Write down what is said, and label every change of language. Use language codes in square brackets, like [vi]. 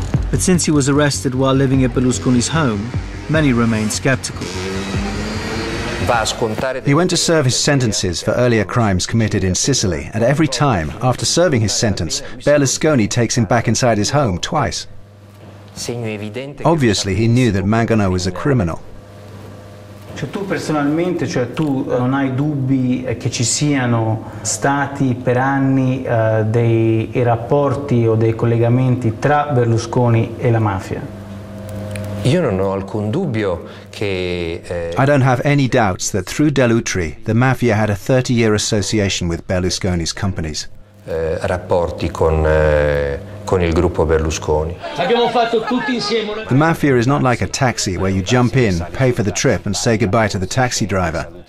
[en] But since he was arrested while living at Berlusconi's home, many remain skeptical. He went to serve his sentences for earlier crimes committed in Sicily, and every time, after serving his sentence, Berlusconi takes him back inside his home twice. Obviously, he knew that Mangano was a criminal. [it] Cioè tu personalmente, cioè tu non hai dubbi che ci siano stati per anni dei rapporti o dei collegamenti tra Berlusconi e la mafia? Io non ho alcun dubbio che [en] I don't have any doubts that through Dell'Utri the mafia had a 30-year association with Berlusconi's companies. [it] Rapporti con il gruppo Berlusconi. Abbiamo fatto tutti insieme. [en] The mafia is not like a taxi where you jump in, pay for the trip and say goodbye to the taxi driver.